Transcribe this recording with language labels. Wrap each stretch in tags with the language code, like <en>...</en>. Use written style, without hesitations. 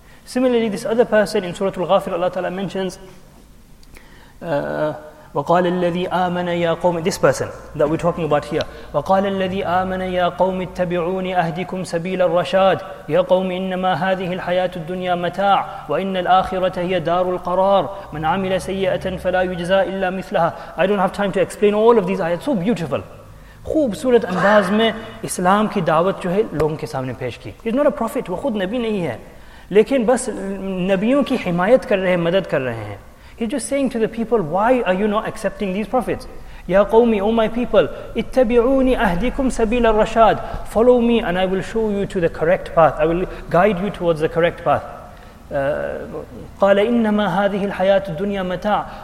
<en>Similarly, this other person in Surah Al-Ghafir, Allah Ta'ala mentions,</en> <ar>وَقَالَ الَّذِي آمَنَ يَا قَوْمِ,</ar> <en>this person that we're talking about here,</en> <ar>وَقَالَ الَّذِي آمَنَ يَا قَوْمِ اتَّبِعُونِ أَهْدِكُمْ سَبِيلَ الرَّشَادِ يَا قَوْمِ إِنَّمَا هَذِهِ الْحَيَاةُ الدُّنْيَا مَتَاعُ وَإِنَّ الْآخِرَةَ هِيَ دَارُ الْقَرَارِ مَنْ عَمِلَ سَيِّئَةً فَلَا يُجْزَى إِلَّا مِثْلَهَا.</ar> <en>I don't have time to explain all of these ayats, so beautiful.</en> <ur>خوب صورت انداز میں اسلام کی دعوت جو ہے لوگوں کے سامنے پیش کی.</ur> <en>He's not a prophet,</en> <ur>وہ خود نبی نہیں ہے, لیکن بس نبیوں کی حمایت کر رہے ہیں, مدد کر رہے ہیں.</ur> <en>He's just saying to the people, why are you not accepting these prophets?</en> <ar>Ya qawmi,</ar> <en>O my people,</en> <ar>ittabi'uni ahdikum sabila rashad.</ar> <en>Follow me and I will show you to the correct path. I will guide you towards the correct path.</en> <ar>Qala innama hadhihi alhayatu dunya mata'.</ar>